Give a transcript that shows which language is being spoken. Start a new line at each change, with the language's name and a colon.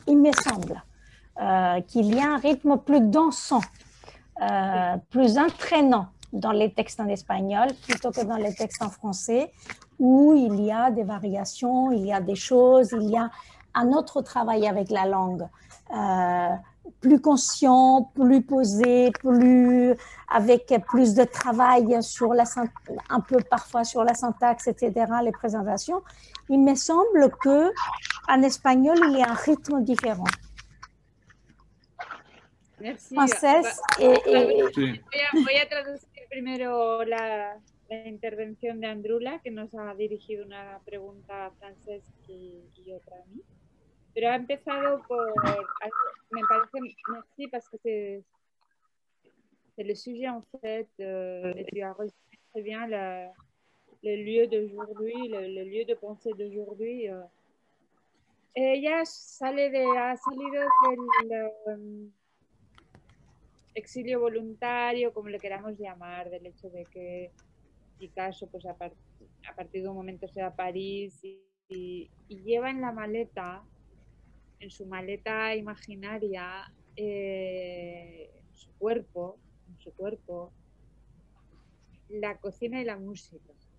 French: Il me semble qu'il y a un rythme plus dansant, plus entraînant dans les textes en espagnol plutôt que dans les textes en français, où il y a des variations, il y a des choses, il y a un autre travail avec la langue, plus conscient, plus posé, plus, avec plus de travail sur la, un peu parfois sur la syntaxe, etc., les présentations. Il me semble qu'en espagnol, il y a un rythme différent. Merci.
Spanish: Frances, voy a traducir primero la intervención de Andrula, que nos ha dirigido una pregunta a Frances y otra a mí. Pero ha empezado por, me parece,
French: merci, parce que c'est le sujet en fait, et tu as reçu très bien le lieu d'aujourd'hui, le lieu de pensée d'aujourd'hui.
Spanish: Ella ha salido del exilio voluntario, como le queramos llamar, del hecho de que Picasso, pues a partir de un momento se va a París y lleva en la maleta, en su maleta imaginaria, en su cuerpo, la cocina y la música.